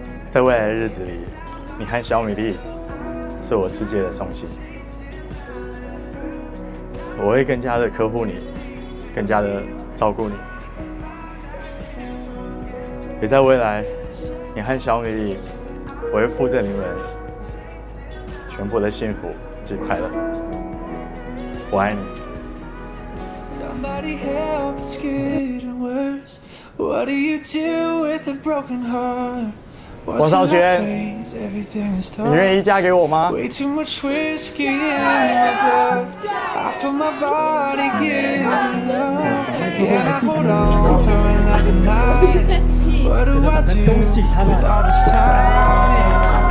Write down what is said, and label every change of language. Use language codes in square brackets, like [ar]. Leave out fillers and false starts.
[zh] 在未来的日子里，你和小米粒是我世界的中心，我会更加的呵护你，更加的照顾你。也在未来，你和小米粒，我会附赠你们全部的幸福及快乐。我爱你。 [en] Somebody help, it's getting worse. What do you do with a broken heart? [zh] 王少轩，你愿意嫁给我吗？ [en] Way too much whiskey in my blood. I feel my body giving up. Can I hold on for another night? What do I do with all this time?